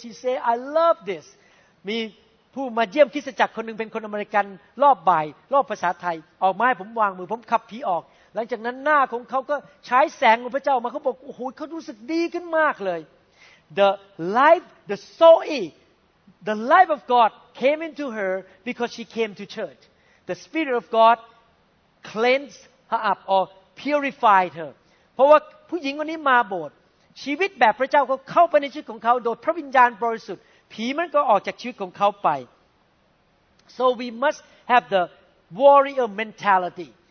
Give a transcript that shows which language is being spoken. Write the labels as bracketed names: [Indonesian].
[English] She said, "I love this." [Thai] มีผู้มาเยี่ยมคริสตจักรคนนึงเป็นคนอเมริกันรอบบ่ายรอบภาษาไทยออกมาให้ผมวางมือผมขับผีออกหลังจากนั้นหน้าของเขาก็ฉายแสงของพระเจ้ามาเขาบอกโอ้โหเขารู้สึกดีขึ้นมากเลย [English] The life, the soul, the life of God came into her because she came to church. The Spirit of God cleansed her up orPurified her. [Thai] เพราะว่าผู้หญิงคนนี้มาโบสถ์ชีวิตแบบพระเจ้าก็เข้าไปในชีวิตของเขาโดยพระวิญญาณบริสุทธิ์ผีมันก็ออกจากชีวิตของเขาไป [English] So we must have the warrior mentality.